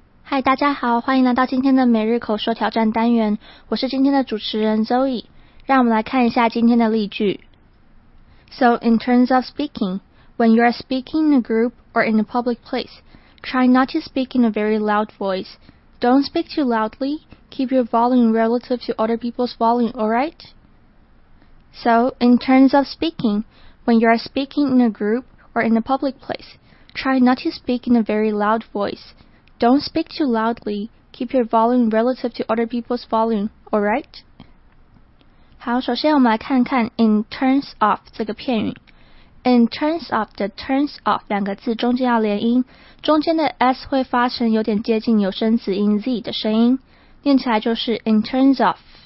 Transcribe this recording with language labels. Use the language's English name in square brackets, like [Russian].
[Chinese] 嗨，大家好，欢迎来到今天的每日口说挑战单元，我是今天的主持人 Zoe。让我们来看一下今天的例句。 [English] So in terms of speaking, when you are speaking in a group or in a public place, try not to speak in a very loud voice. Don't speak too loudly, keep your volume relative to other people's volume, alright? So in terms of speaking, when you are speaking in a group or in a public place, try not to speak in a very loud voice. Don't speak too loudly. Keep your volume relative to other people's volume. All right? [Chinese] 好，首先我们来看看 in terms of 这个片语。 In terms of 的 terms of 两个字中间要连音，中间的 s 会发成有点接近有声子音 z 的声音，念起来就是 in terms of.